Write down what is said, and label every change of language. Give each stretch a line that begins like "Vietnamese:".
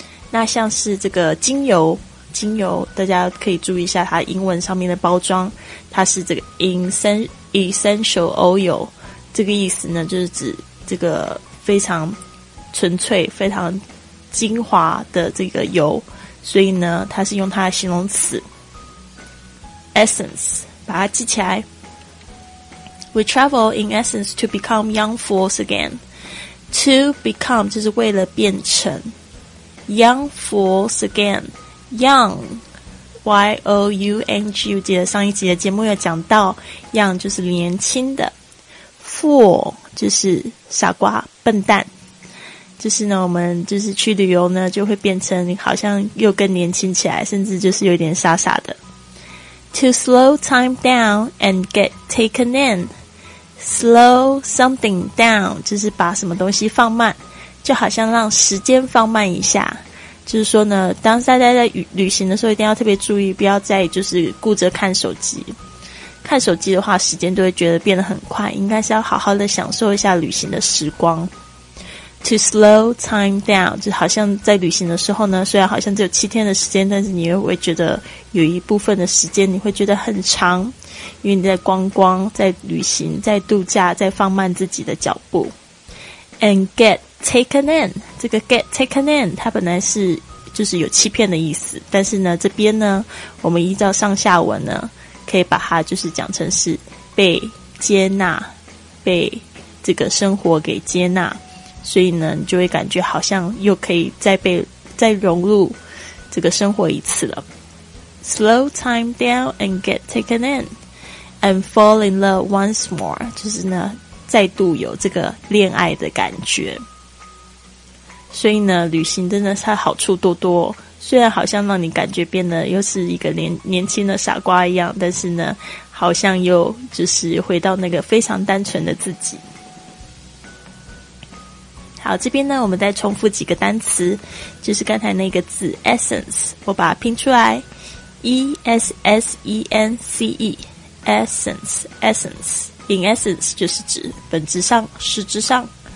Chinese: 那像是这个精油大家可以注意一下它英文上面的包装，它是这个 essential oil， 这个意思呢就是指这个非常纯粹非常精华的这个油，所以呢它是用它的形容词essence， 把它记起来。
English: We travel in essence to become young fools again. To become
Chinese: 就是为了变成
English: young fools again.
Chinese: Young Y-O-U-N-G， 我记得上一集的节目有讲到 young 就是年轻的， fool 就是傻瓜笨蛋，就是呢我们就是去旅游呢就会变成好像又更年轻起来，甚至就是有点傻傻的。
English: To slow time down and get taken in.
Chinese: Slow something down 就是把什么东西放慢，就好像让时间放慢一下，就是说呢当大家在旅行的时候一定要特别注意，不要再就是顾着看手机，看手机的话时间都会觉得变得很快，应该是要好好的享受一下旅行的时光。
English: to slow time down，
Chinese: 就好像在旅行的时候呢，虽然好像只有七天的时间，但是你又会觉得有一部分的时间你会觉得很长，因为你在观光，在旅行，在度假，在放慢自己的脚步。
English: And get taken in，
Chinese: 这个
English: get taken in
Chinese: 它本来是就是有欺骗的意思，但是呢这边呢我们依照上下文呢可以把它就是讲成是被接纳，被这个生活给接纳，所以呢你就会感觉好像又可以再融入这个生活一次了。
English: Slow time down and get taken in and fall in love once more，
Chinese: 就是呢再度有这个恋爱的感觉。所以呢旅行真的是好处多多，虽然好像让你感觉变得又是一个 年轻的傻瓜一样，但是呢好像又就是回到那个非常单纯的自己。好，这边呢我们再重复几个单词，就是刚才那个字 essence， 我把它拼出来 E-S-S-E-N-C-E essence， essence
English: in essence
Chinese: 就是指本质上，实质上。